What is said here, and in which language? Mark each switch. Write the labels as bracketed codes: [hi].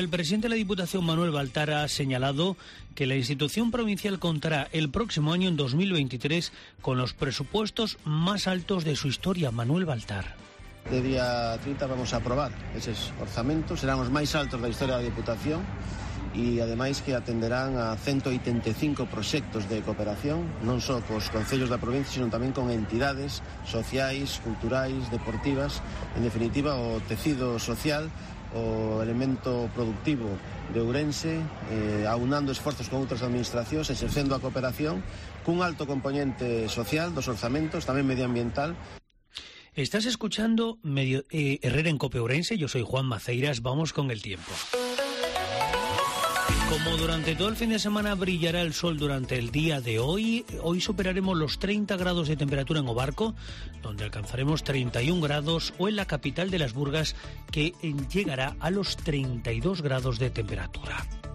[es] El presidente de la Diputación, Manuel Baltar, ha señalado que la institución provincial contará el próximo año, en 2023, con los presupuestos más altos de su historia. Manuel Baltar. De día 30 vamos a aprobar esos orzamentos. Serán los más altos de la historia de la Diputación. [gl] E ademais que atenderán a 185 proxectos de cooperación, non só cos concellos da provincia, sino tamén con entidades sociais, culturais, deportivas, en definitiva o tecido social, o elemento productivo de Ourense, aunando esforzos con outras administracións, exercendo a cooperación, cun alto componente social dos orzamentos, tamén medioambiental. [es] Estás escuchando Herrera en COPE Ourense, yo soy Juan Maceiras, vamos con el tiempo. Como durante todo el fin de semana brillará el sol durante el día de hoy, hoy superaremos los 30 grados de temperatura en Obarco, donde alcanzaremos 31 grados, o en la capital de las Burgas, que llegará a los 32 grados de temperatura.